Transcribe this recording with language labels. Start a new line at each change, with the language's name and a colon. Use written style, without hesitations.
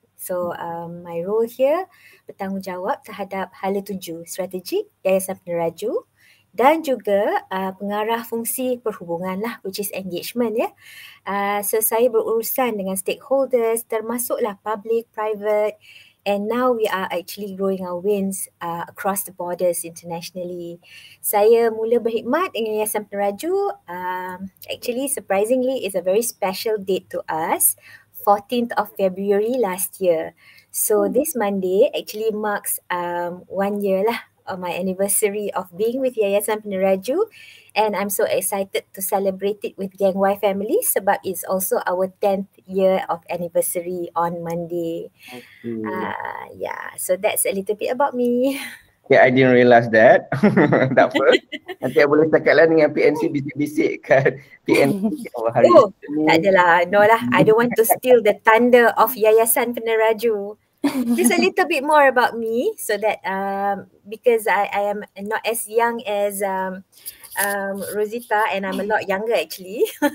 English: So my role here
Malay: bertanggungjawab terhadap hala tuju strategi Yayasan Peneraju dan juga pengarah fungsi perhubungan lah,
English: which is engagement
Malay: ya. So saya berurusan dengan stakeholders termasuklah public, private.
English: And now we are actually growing our wings across the borders internationally.
Malay: Saya mula berkhidmat dengan Yayasan Peneraju.
English: Actually, surprisingly, it's a very special date to us. 14th of February last year. So this Monday actually marks 1 year lah on my anniversary of being with Yayasan Peneraju. And I'm so excited to celebrate it with Gang Y family sebab it's also our 10th year of anniversary on Monday. Yeah, so that's a little bit about me. Yeah, I didn't realize that.
Malay: Tak apa. Nanti I boleh cakap lah dengan PNC bisik-bisik kan. Tak adalah. No lah.
English: I don't want to steal the thunder of Yayasan Peneraju. Just a little bit more about me so that because I am not as young as Rozita and I'm a lot younger actually.